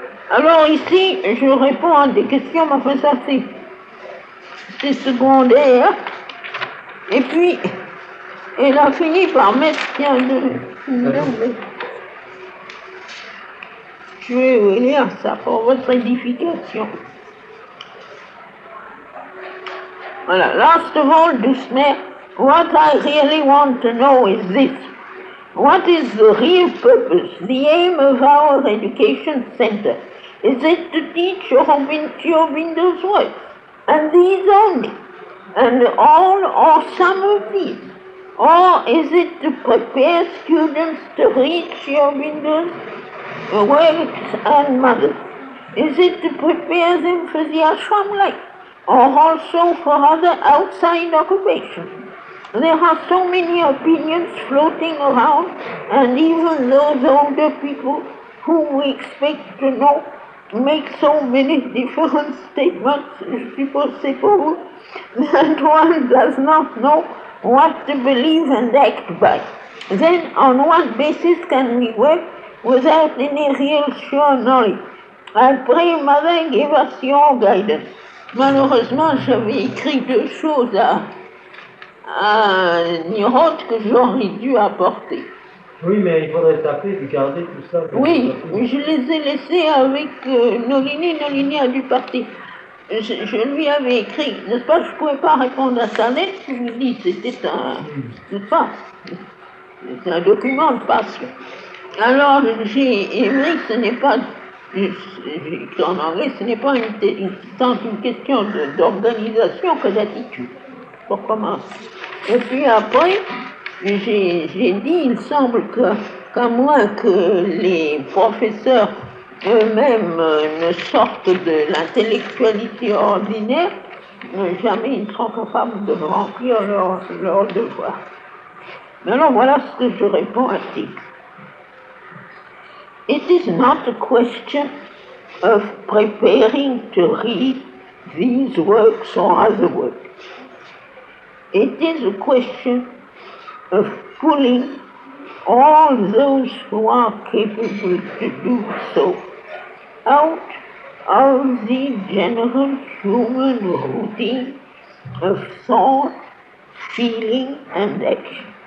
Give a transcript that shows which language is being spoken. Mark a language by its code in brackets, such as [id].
[fr] Alors ici, je réponds à des questions, mais enfin ça c'est secondaire. Et puis, elle a fini par mettre, tiens, je vais vous lire ça pour votre édification. [en] Voilà, last of all, [fr] douce mère, [en] what I really want to know is this. What is the real purpose, the aim of our education center? Is it to teach Aurobindo's works? And these only? And all or some of these? Or is it to prepare students to reach Aurobindo's works and mothers? Is it to prepare them for the ashram life? Or also for other outside occupations? There are so many opinions floating around, and even those older people whom we expect to know make so many different statements, [fr] je suppose c'est pour vous, [en] that one does not know what to believe and act by. Then, on what basis can we work without any real sure knowledge? I pray, Mother, give us your guidance. [fr] Malheureusement, j'avais écrit deux choses à Niroth que j'aurais dû apporter. Oui, mais il faudrait taper et garder tout ça. Oui, je les ai laissés avec Nolini. Nolini a dû partir. Je lui avais écrit, n'est-ce pas? Je ne pouvais pas répondre à sa lettre. Je vous dis, c'était un, n'est-ce pas, c'est un document de passion. Alors, j'ai aimé, ce n'est pas, j'ai écrit en anglais, ce n'est pas tant une question d'organisation que d'attitude. Pour commencer. Et puis après, j'ai dit, il semble qu'à moins que les professeurs eux-mêmes ne sortent de l'intellectualité ordinaire, jamais ils ne seront capables de remplir leur devoir. Mais alors voilà ce que je réponds à Tic. [en] It is not a question of preparing to read these works or other works. It is a question of pulling all those who are capable to do so out of the general human routine of thought, feeling, and action.